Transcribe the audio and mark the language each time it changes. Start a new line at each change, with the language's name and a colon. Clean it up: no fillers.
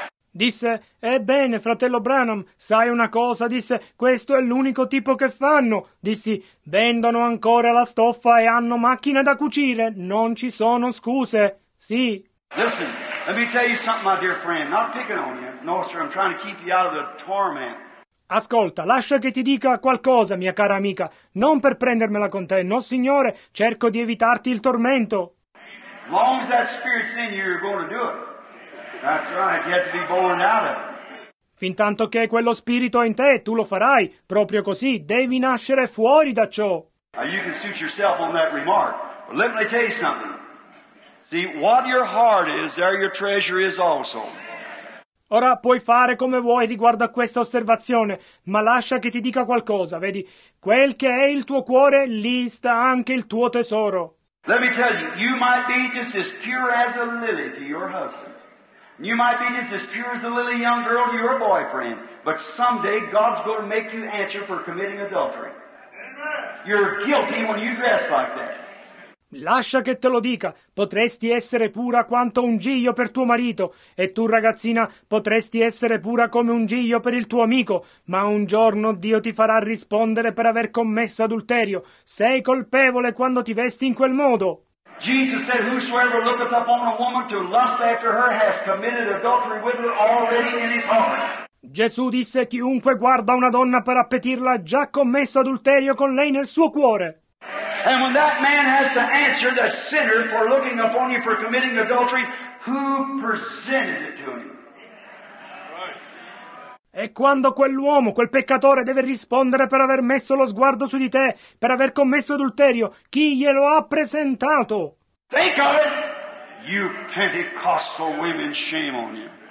Italian: Disse, ebbene, fratello Branham, sai una cosa? Disse, questo è l'unico tipo che fanno. Dissi, vendono ancora la stoffa e hanno macchine da cucire. Non ci sono scuse. Sì.
English: Listen, let me tell you something, my dear friend. Not picking on you. No, sir, I'm trying to keep you out of the torment.
Italian: Ascolta, lascia che ti dica qualcosa, mia cara amica. Non per prendermela con te. No, signore, cerco di evitarti il tormento.
English: As long as that spirit's in you, you're going to do it. That's right, you have to be born out of it.
Italian: Fin tanto che quello spirito è in te, tu lo farai, proprio così, devi nascere fuori da ciò.
English: You can suit yourself on that remark, but let me tell you something. See, what your heart is, there your treasure is also.
Italian: Ora puoi fare come vuoi riguardo a questa osservazione, ma lascia che ti dica qualcosa, vedi? Quel che è il tuo cuore, lì sta anche il tuo tesoro.
English: Let me tell you, you might be just as pure as a lily to your husband. You might be just as pure as a lily young girl to your boyfriend, but someday God's going to make you answer for committing adultery. You're guilty when you dress like that.
Italian: Lascia che te lo dica, potresti essere pura quanto un giglio per tuo marito, e tu ragazzina potresti essere pura come un giglio per il tuo amico, ma un giorno Dio ti farà rispondere per aver commesso adulterio. Sei colpevole quando ti vesti in quel modo.
English: Jesus said, whosoever looketh upon a woman to lust after her has committed adultery with her already in his heart.
Italian: Gesù disse, chiunque guarda una donna per appetirla ha già commesso adulterio con lei nel suo cuore.
English: And when that man has to answer the sinner for looking upon you for committing adultery, who presented it to him?
Italian: E quando quell'uomo, quel peccatore, deve rispondere per aver messo lo sguardo su di te, per aver commesso adulterio, chi glielo ha presentato?
English: Think of it! You Pentecostal women, shame on you.